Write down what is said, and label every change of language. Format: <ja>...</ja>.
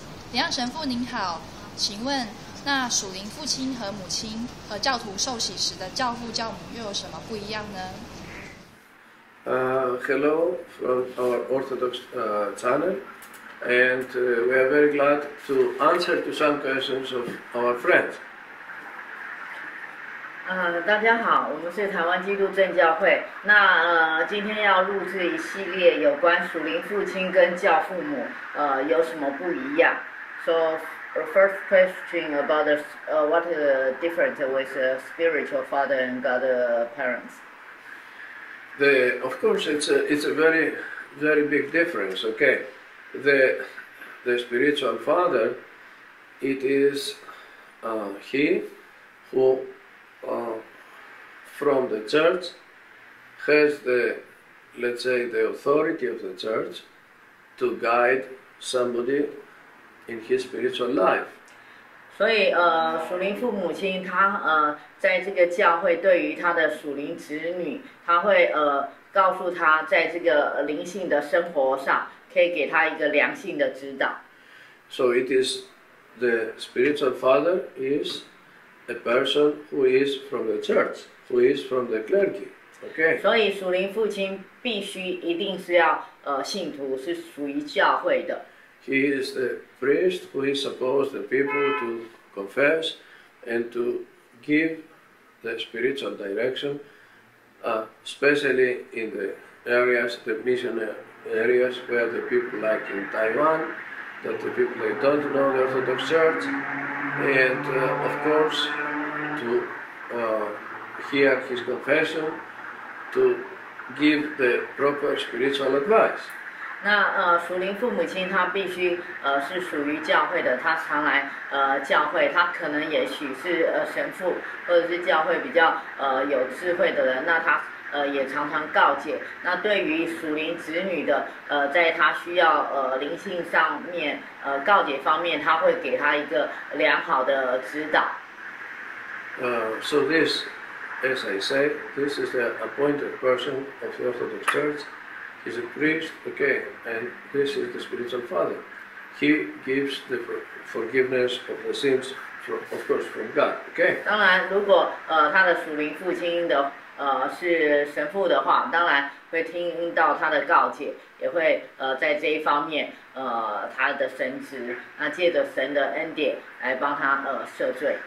<zh>林耀神父您好，请问那属灵父亲和母亲和教徒受洗时的教父教母又有什么不一样呢？</zh> <en>Hello from our Orthodox channel, and we are very glad to answer to some questions of our friends.</en> <zh>大家好，我们是台湾基督正教会。那今天要录制一系列有关属灵父亲跟教父母有什么不一样。</zh> <en>So the first question about what difference with spiritual father and godparents. Of course, it's a very, very big difference. Okay, the spiritual father, it is he who from the church has the, let's say, the authority of the church to guide somebody in his spiritual life.</en> <zh>所以属灵父母亲他在这个教会对于他的属灵子女，他会告诉他在这个灵性的生活上可以给他一个良性的指导。</zh> <en>So it is the spiritual father is a person who is from the church, who is from the clergy. Okay.</en> <zh>所以属灵父亲必须一定是要信徒，是属于教会的。</zh> <en>He is the priest who is supposed the people to confess and to give the spiritual direction, especially in the areas, the missionary areas where the people like in Taiwan, that the people they don't know the Orthodox Church, and of course to hear his confession, to give the proper spiritual advice.</en> <zh>那属灵父母亲他必须是属于教会的，他常来教会，他可能也许是神父或者是教会比较有智慧的人，那他也常常告诫。那对于属灵子女的在他需要灵性上面告诫方面，他会给他一个良好的指导。</zh> <en>So this, as I say, this is the appointed person of the Orthodox Church. He's a priest, okay, and this is the spiritual father. He gives the forgiveness of the sins, of course, from God, okay?</en> <zh>当然，如果他的属灵父亲的是神父的话，当然会听到他的告诫，也会在这一方面他的神职，那借着神的恩典来帮他赦罪。</zh>